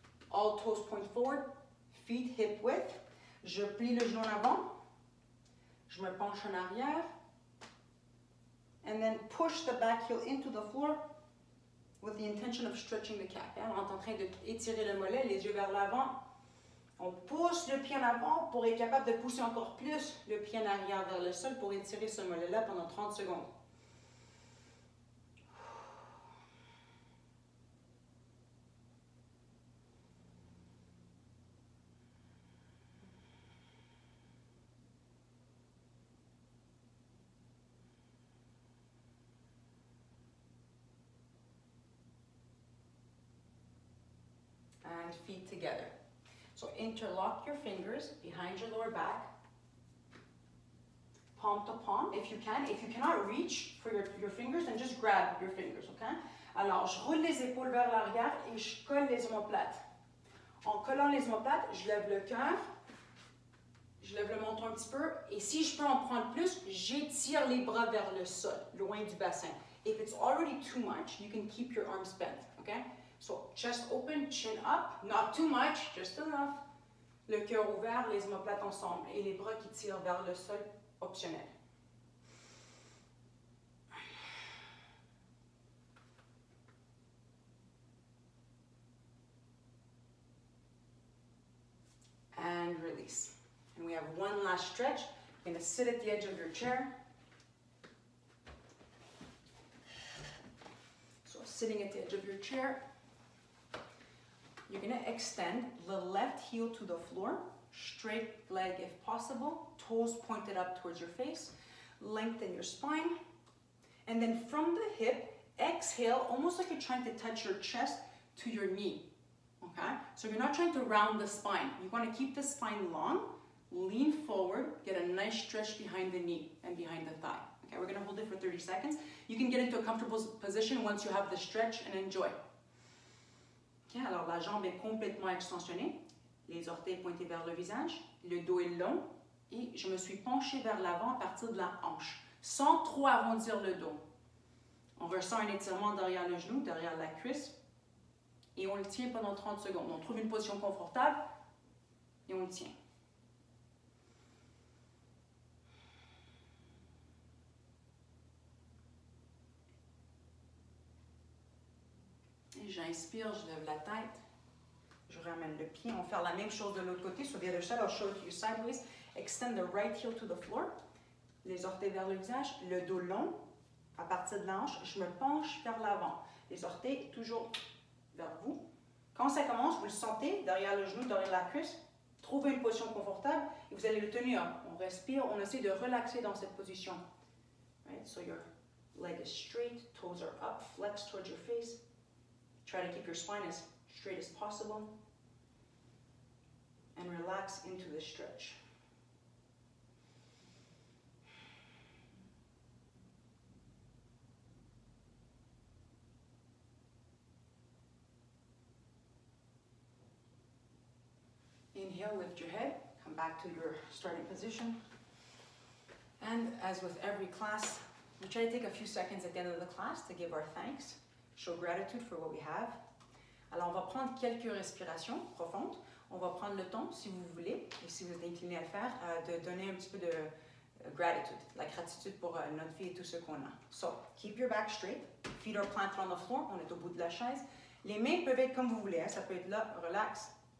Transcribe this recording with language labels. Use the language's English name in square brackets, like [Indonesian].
[English] All toes point forward, feet hip width. [French] Je plie le genou en avant. Je me penche en arrière. [English] And then push the back heel into the floor with the intention of stretching the calf. [French] Et on est en train d'étirer le mollet, les yeux vers l'avant. On pousse le pied en avant pour être capable de pousser encore plus le pied en arrière vers le sol pour étirer ce mollet-là pendant 30 secondes. [English] And feet together. So interlock your fingers behind your lower back, palm to palm if you can. If you cannot reach for your fingers, then just grab your fingers, okay? [French] Alors, je roule les épaules vers l'arrière et je colle les omoplates. En collant les omoplates, je lève le cœur, je lève le menton un petit peu, et si je peux en prendre plus, j'étire les bras vers le sol, loin du bassin. [English] If it's already too much, you can keep your arms bent, okay? So, chest open, chin up, not too much, just enough. [French] Le cœur ouvert, les omoplates ensemble et les bras qui tirent vers le sol, optionnel. [English] And release. And we have one last stretch. You're going to sit at the edge of your chair. So, sitting at the edge of your chair. You're going to extend the left heel to the floor, straight leg if possible, toes pointed up towards your face, lengthen your spine, and then from the hip, exhale, almost like you're trying to touch your chest to your knee, okay? So you're not trying to round the spine. You want to keep the spine long, lean forward, get a nice stretch behind the knee and behind the thigh. Okay, we're going to hold it for 30 seconds. You can get into a comfortable position once you have the stretch and enjoy. [French] Okay, alors la jambe est complètement extensionnée, les orteils pointés vers le visage, le dos est long et je me suis penchée vers l'avant à partir de la hanche, sans trop arrondir le dos. On ressent un étirement derrière le genou, derrière la cuisse et on le tient pendant 30 secondes. On trouve une position confortable et on le tient. J'inspire, je lève la tête, je ramène le pied. On va faire la même chose de l'autre côté. [English] So the other side, I'll show it to you sideways. Extend the right heel to the floor. [French] Les orteils vers le visage, le dos long. À partir de la hanche, je me penche vers l'avant. Les orteils toujours vers vous. Quand ça commence, vous le sentez derrière le genou, derrière la cuisse. Trouvez une position confortable et vous allez le tenir. On respire, on essaie de relaxer dans cette position. [English] Right? So your leg is straight, toes are up, flex towards your face. Try to keep your spine as straight as possible and relax into the stretch. Inhale, lift your head, come back to your starting position. And as with every class, we try to take a few seconds at the end of the class to give our thanks. Show gratitude for what we have. [French] Alors, on va prendre quelques respirations profondes. On va prendre le temps, si vous voulez, et si vous êtes incliné à le faire, de donner un petit peu de gratitude, la gratitude pour notre vie et tout ce qu'on a. [English] So, keep your back straight. Feet are planted on the floor. [French] On est au bout de la chaise. Les mains peuvent être comme vous voulez. Hein. Ça peut être là, relax.